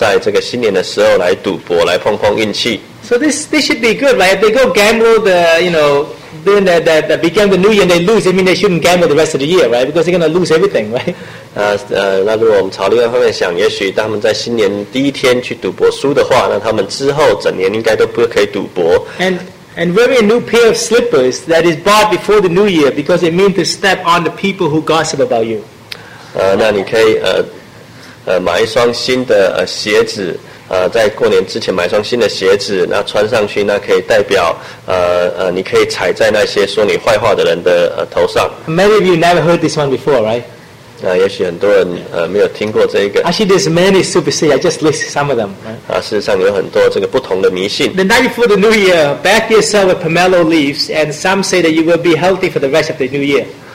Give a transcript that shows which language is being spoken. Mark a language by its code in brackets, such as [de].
[zh] 那有些人还相信，新年的第一天所遇到的，就会代表他们今年的运势。所以很多东方人都喜欢在这个新年的时候来赌博，来碰碰运气。 [en] So this should be good, right? If they go gamble during the beginning of the new year and they lose, it means they shouldn't gamble the rest of the year, right? Because they're going to lose everything, right? [zh] 那如果我们朝另外一方面想，也许当他们在新年第一天去赌博输的话，那他们之后整年应该都不可以赌博。 [en] And wearing a new pair of slippers that is bought before the new year because it means to step on the people who gossip about you. [zh] 那你可以买一双新的鞋子，在过年之前买一双新的鞋子，那穿上去，那可以代表你可以踩在那些说你坏话的人的头上。 [en] Many of you never heard this one before, right? [zh] 也许很多人没有听过这一个。 [en] Actually, there's many superstitions. I just list some of them. [zh] 事实上有很多这个不同的迷信。 [en] The night before the New Year, bath yourself with pomelo leaves, and some say that you will be healthy for the rest of the New Year.